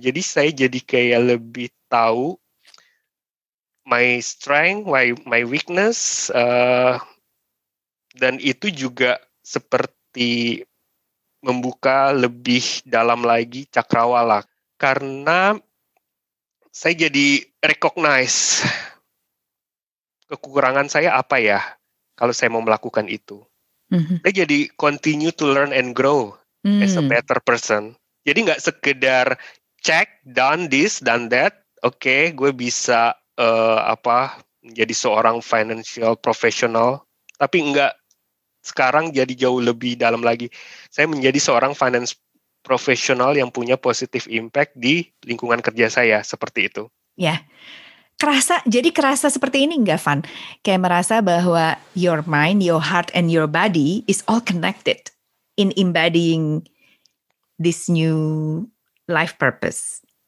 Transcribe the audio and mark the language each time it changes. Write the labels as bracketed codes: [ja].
[id] Jadi saya jadi kayak lebih tahu [en] my strength, my weakness, [id] dan itu juga seperti membuka lebih dalam lagi cakrawala. Karena saya jadi recognize kekurangan saya apa ya kalau saya mau melakukan itu. Saya jadi [en] continue to learn and grow as a better person. [id] Jadi gak sekedar [en] check, done this, done that. [id] Okay, gue bisa menjadi seorang financial professional. Tapi gak sekarang jadi jauh lebih dalam lagi. Saya menjadi seorang finance professional yang punya positive impact di lingkungan kerja saya. Seperti itu. Ya. Yeah. Kerasa seperti ini enggak, Van? Kayak merasa bahwa [en] your mind, your heart, and your body is all connected in embodying this new life purpose.